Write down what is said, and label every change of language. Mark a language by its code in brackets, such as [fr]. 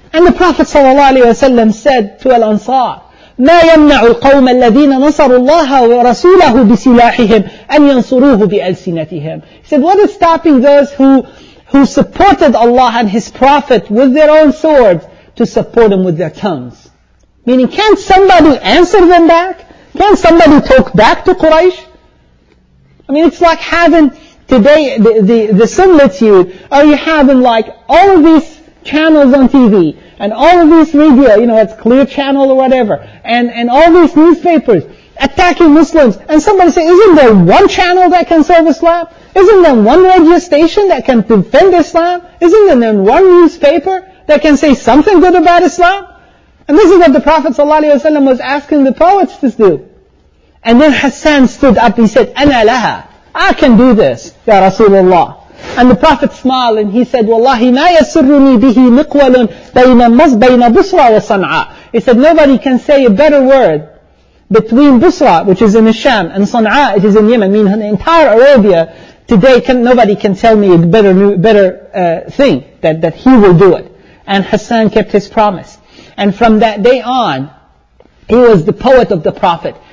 [en] And the Prophet sallallahu alaihi wasallam said to Al-Ansar, [ar] ما يمنع القوم الذين نصروا الله ورسوله بسلاحهم أن ينصروه بألسنتهم. [en] He said, what is stopping those who supported Allah and His Prophet with their own swords to support them with their tongues? Meaning, can't somebody answer them back? Can somebody talk back to Quraysh? I mean, it's like having today the similitude, or you having like all of these channels on TV and all of these media, you know, it's Clear Channel or whatever, and all these newspapers attacking Muslims, and somebody say, isn't there one channel that can serve Islam? Isn't there one radio station that can defend Islam? Isn't there one newspaper that can say something good about Islam? And this is what the Prophet ﷺ was asking the poets to do. And then Hassan stood up, he said, [ar] أنا لها, [en] I can do this, Ya Rasulullah. And the Prophet smiled and he said, [ar] وَاللَّهِ مَا يَسُرُّنِي بِهِ مِقْوَلٌ بَيْنَ بُصْرَ وَصَنْعَى. [en] He said, nobody can say a better word between Busra, which is in Hisham, and Sana'a, it is in Yemen. I mean, in the entire Arabia today, nobody can tell me a better thing that he will do it. And Hassan kept his promise. And from that day on, he was the poet of the Prophet.